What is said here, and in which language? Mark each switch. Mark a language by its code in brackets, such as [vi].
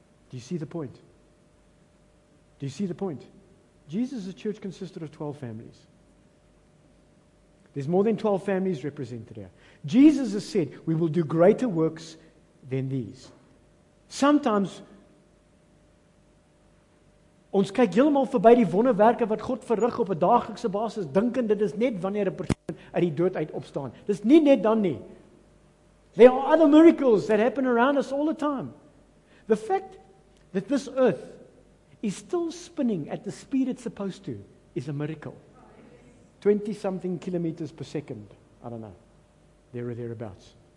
[en] Do you see the point? Do you see the point? Jesus' church consisted of 12 families. There's more than 12 families represented here. Jesus has said, we will do greater works than these. [af] Sometimes, ons kyk heeltemal verby die wonderwerke wat God verrig op 'n daaglikse basis, dinkend dit is net wanneer 'n persoon uit die dood uit opstaan. Dis nie net dan nie. [en] There are other miracles that happen around us all the time. The fact that this earth is still spinning at the speed it's supposed to is a miracle. 20 something kilometers per second. I don't know. There or thereabouts.